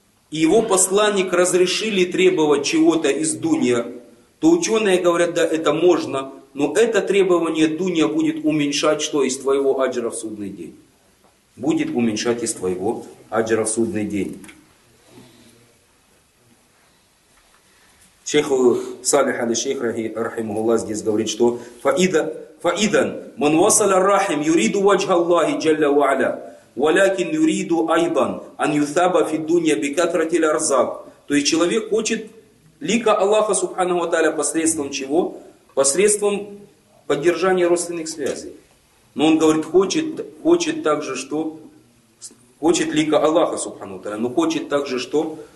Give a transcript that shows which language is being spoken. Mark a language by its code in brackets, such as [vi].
[ru] И его посланник разрешили требовать чего-то из дунья, то ученые говорят, да, это можно, но это требование дунья будет уменьшать что из твоего аджра в судный день? Будет уменьшать из твоего аджра в судный день. Шейх Салих аль-Шейх рахимахуллах здесь говорит, что [ar] فإذا من وصل الرحم يريد وجه الله جل وعلا ولكن يريد أيضا أن يثاب في الدنيا بكثرة الأرزاق. [ru] То есть человек хочет лика Аллаха Субханаху ва Тааля посредством чего? Посредством поддержания родственных связей. Но он говорит, хочет также что? Хочет лика Аллаха Субханаху ва Тааля, но хочет также что?